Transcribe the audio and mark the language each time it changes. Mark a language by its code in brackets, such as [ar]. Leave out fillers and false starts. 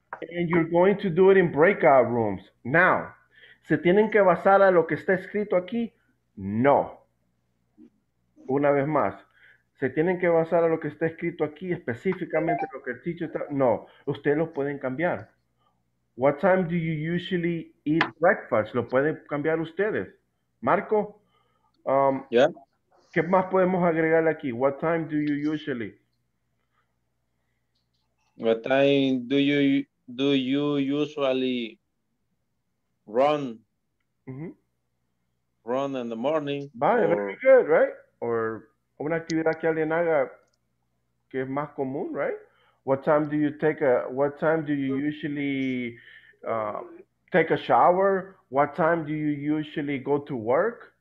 [en] And you're going to do it in breakout rooms. [es] Now, ¿se tienen que basar a lo que está escrito aquí? No. Una vez más. ¿Se tienen que basar a lo que está escrito aquí, específicamente lo que el teacher está? No. Ustedes lo pueden cambiar. [en] What time do you usually eat breakfast? [es] Lo pueden cambiar ustedes. Marco, [en] yeah. [es] ¿Qué más podemos agregar aquí? [en] What time do you usually? What time do you usually run? Mm-hmm. Run in the morning. Vale, or... very good, right? [es] Or una actividad que alguien haga que es más común, right? [en] What time do you usually take a shower? What time do you usually go to work?